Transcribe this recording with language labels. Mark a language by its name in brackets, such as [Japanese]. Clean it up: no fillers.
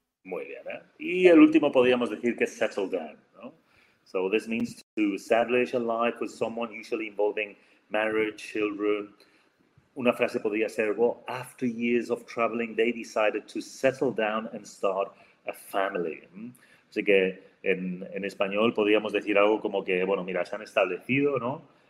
[Spanish] Muy bien, ¿eh? Y el último podríamos decir que [English] settle down, [Spanish] ¿no? [English] So this means to establish a life with someone, usually involving marriage, children. [Spanish] Una frase podría ser, [English] well, after years of traveling, they decided to settle down and start a family. [Spanish] Así que En español podríamos decir algo como que, bueno, mira, se han establecido, ¿no?